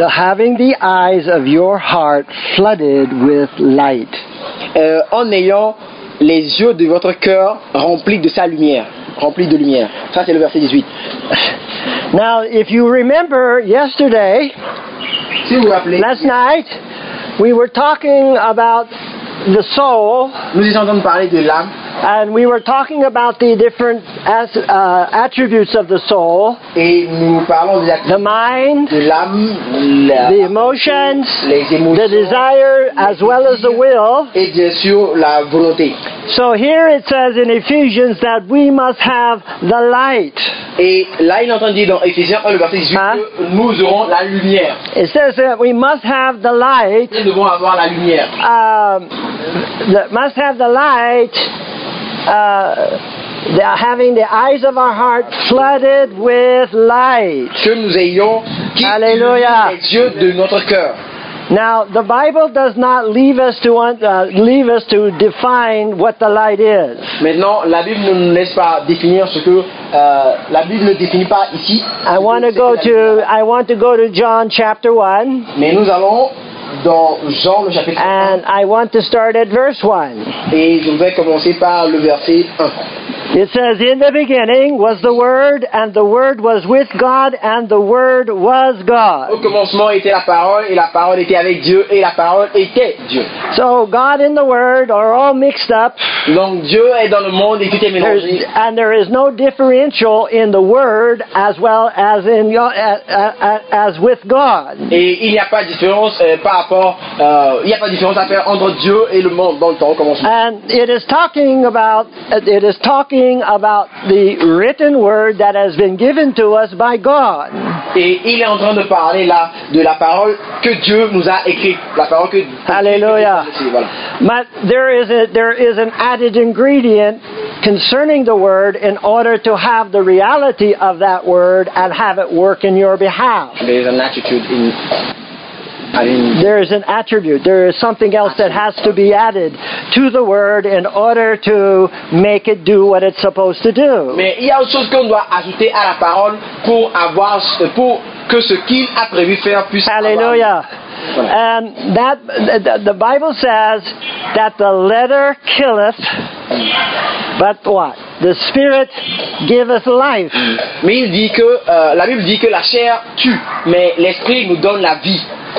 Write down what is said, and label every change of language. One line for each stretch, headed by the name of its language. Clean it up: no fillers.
English: The having the eyes of your heart flooded with light.
French: En ayant les yeux de votre cœur remplis de sa lumière. Rempli de lumière. Ça, c'est le verset 18.
English: Now, if you remember yesterday,
French: si vous vous rappelez,
English: last night, we were talking about the soul.
French: Nous étions en train de parler de l'âme.
English: And we were talking about the different attributes of the soul.
French: Et nous parlons des
English: the mind,
French: de l'âme,
English: the emotions,
French: les émotions,
English: the desire,
French: les
English: as well as the will.
French: Et bien sûr, la volonté.
English: So here it says in Ephesians that we must have the light.
French: Et là, il entend dire dans Ephésiens 1, le verset 18, hein? Que nous aurons la lumière.
English: It says that we must have the light.
French: Nous devons avoir la lumière.
English: Must have the light. Having the eyes of our heart flooded with light.
French: Que nous ayons qui Alléluia. Les yeux de notre cœur.
English: Now the Bible does not leave us to define what the light is.
French: Maintenant, la Bible ne nous laisse pas définir ce que la Bible ne définit pas ici.
English: I want to go to John chapter 1.
French: Mais nous allons dans Jean le chapitre 1.
English: And I want to start at verse 1.
French: Et je vais commencer par le verset 1.
English: It says, in the beginning was the Word, and the Word was with God, and the Word was God.
French: Au commencement était la parole, et la parole était avec Dieu, et la parole était Dieu.
English: So God and the Word are all mixed up.
French: Donc Dieu est dans le monde et tout est mélangé.
English: And there is no differential in the Word as well as in as with God.
French: Et il n'y a pas de différence par rapport, il n'y a pas de différence à faire entre Dieu et le monde dans le temps au commencement.
English: And it is talking about the written word that has been given to us by God.
French: Et il est en train de parler là de la parole que Dieu nous a écrite, la parole que Alléluia. Voilà.
English: But there is an added ingredient concerning the word in order to have the reality of that word and have it work in your behalf. There is an attitude in There is an attribute. There is something else that has to be added to the word in order to make it do what it's supposed to do.
French: Mais il y a autre chose qu'on doit ajouter à la parole pour avoir pour que ce qu'il a prévu faire puisse Alléluia.
English: And that the Bible says that the letter killeth, but what? The Spirit giveth life.
French: Mais il dit que la Bible dit que la chair tue, mais l'esprit nous donne la vie.